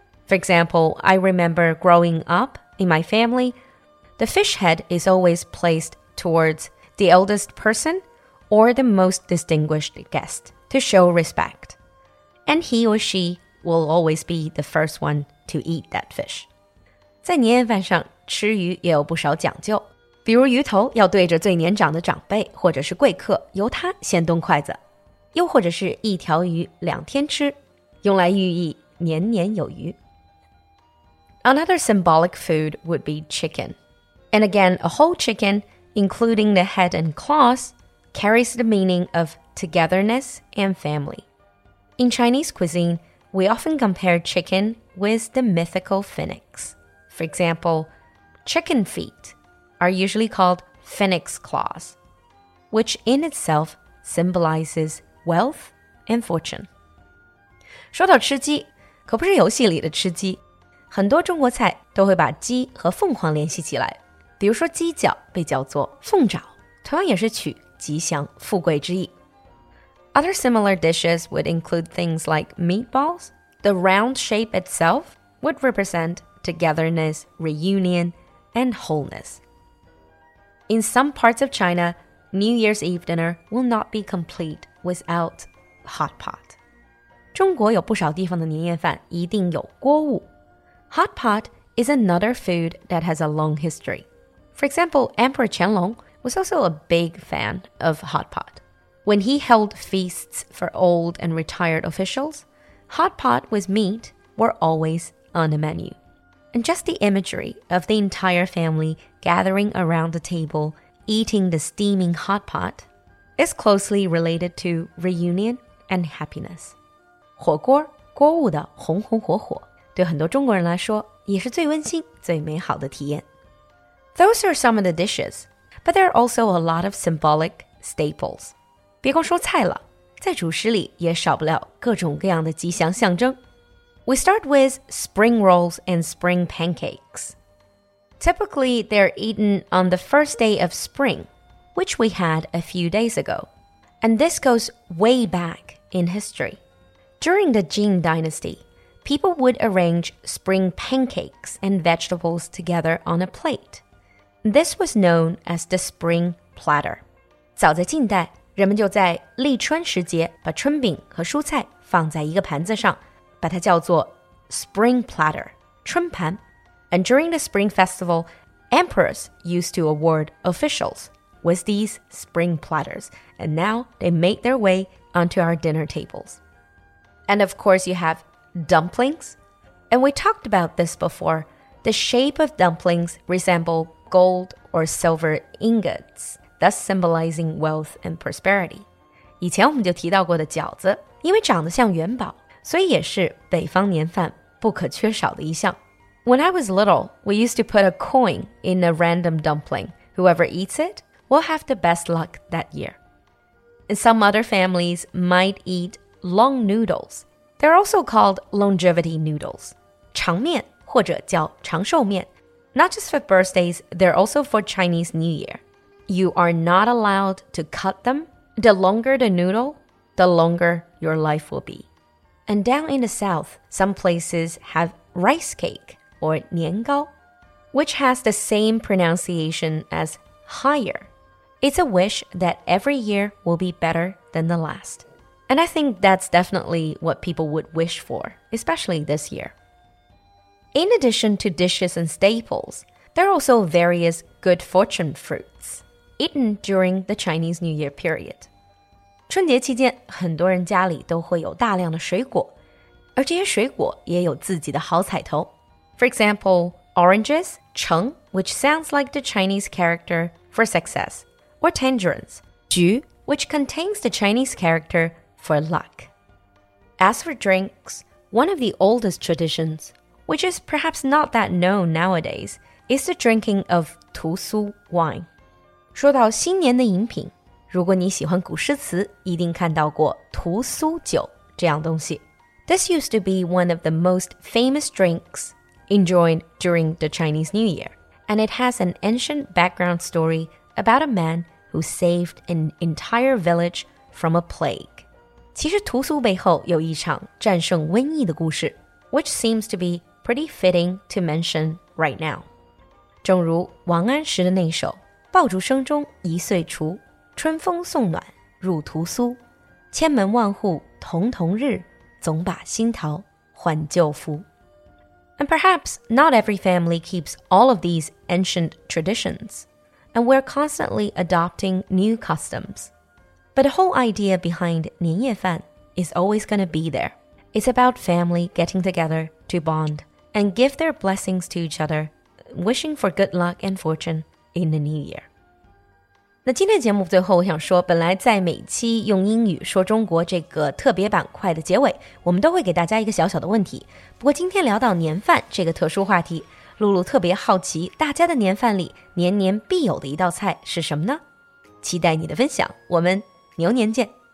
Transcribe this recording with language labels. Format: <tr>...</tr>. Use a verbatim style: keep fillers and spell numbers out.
<en>For example, I remember growing up in my family, the fish head is always placed towards the eldest person or the most distinguished guest to show respect. And he or she will always be the first one to eat that fish.</en> <zh>在年夜饭上，吃鱼也有不少讲究。比如鱼头要对着最年长的长辈或者是贵客，由他先动筷子，又或者是一条鱼两天吃，用来寓意年年有余。</zh> <en>Another symbolic food would be chicken. And again, a whole chicken, including the head and claws, carries the meaning of togetherness and family. In Chinese cuisine, we often compare chicken with the mythical phoenix. For example, chicken feet. Are usually called phoenix claws, which in itself symbolizes wealth and fortune.</en> <zh>说到吃鸡，可不是游戏里的吃鸡。很多中国菜都会把鸡和凤凰联系起来，比如说鸡脚被叫做凤爪，同样也是取吉祥富贵之意。</zh> <en>Other similar dishes would include things like meatballs. The round shape itself would represent togetherness, reunion, and wholeness. In some parts of China, New Year's Eve dinner will not be complete without hot pot.</en> <zh>中国有不少地方的年夜饭一定有锅物。</zh> <en>Hot pot is another food that has a long history. For example, Emperor Qianlong was also a big fan of hot pot. When he held feasts for old and retired officials, hot pot with meat were always on the menu. And just the imagery of the entire family gathering around the table, eating the steaming hot pot, is closely related to reunion and happiness.</en> <zh>火锅，锅物的红红火火，对很多中国人来说也是最温馨、最美好的体验。</zh> <en>Those are some of the dishes, but there are also a lot of symbolic staples.</en> <zh>别光说菜了，在主食里也少不了各种各样的吉祥象征。</zh> <en>We start with spring rolls and spring pancakes. Typically, they're eaten on the first day of spring, which we had a few days ago. And this goes way back in history. During the Jin Dynasty, people would arrange spring pancakes and vegetables together on a plate. This was known as the spring platter.</en> <zh>早在近代，人们就在立春时节把春饼和蔬菜放在一个盘子上，把它叫做</zh> <en>spring platter,</en> <zh>春盘.</zh> <en>And during the spring festival, emperors used to award officials with these spring platters, and now they make their way onto our dinner tables. And of course you have dumplings. And we talked about this before. The shape of dumplings resemble gold or silver ingots, thus symbolizing wealth and prosperity.</en> <zh>以前我们就提到过的饺子，因为长得像元宝，所以也是北方年饭不可缺少的一项。</zh> <en>When I was little, we used to put a coin in a random dumpling. Whoever eats it will have the best luck that year. And some other families might eat long noodles. They're also called longevity noodles.</en> <zh>长面或者叫长寿面.</zh> <en>Not just for birthdays, they're also for Chinese New Year. You are not allowed to cut them. The longer the noodle, the longer your life will be. And down in the south, some places have rice cake or 年糕, which has the same pronunciation as higher. It's a wish that every year will be better than the last. And I think that's definitely what people would wish for, especially this year. In addition to dishes and staples, there are also various good fortune fruits eaten during the Chinese New Year period.</en> <zh>春节期间，很多人家里都会有大量的水果，而这些水果也有自己的好彩头。</zh> <en>For example, oranges, 橙, which sounds like the Chinese character for success, or tangerines, 橘, which contains the Chinese character for luck. As for drinks, one of the oldest traditions, which is perhaps not that known nowadays, is the drinking of 屠苏 wine.</en> <zh>说到新年的饮品，如果你喜欢古诗词，一定看到过屠苏酒这样东西。</zh> <en>This used to be one of the most famous drinks enjoyed during the Chinese New Year, and it has an ancient background story about a man who saved an entire village from a plague.</en> <zh>其实屠苏背后有一场战胜瘟疫的故事，</zh> <en>which seems to be pretty fitting to mention right now.</en> <zh>正如王安石的那首《爆竹声中一岁除》，春风送暖入屠苏，千门万户曈曈日，总把新桃换旧符。</zh> <en>And perhaps not every family keeps all of these ancient traditions, and we're constantly adopting new customs. But the whole idea behind 年夜饭 is always going to be there. It's about family getting together to bond and give their blessings to each other, wishing for good luck and fortune in the new year.</en> <zh>那今天节目最后，我想说，本来在每期用英语说中国这个特别板块的结尾，我们都会给大家一个小小的问题。不过今天聊到年饭这个特殊话题，露露特别好奇，大家的年饭里年年必有的一道菜是什么呢？期待你的分享，我们牛年见。</zh>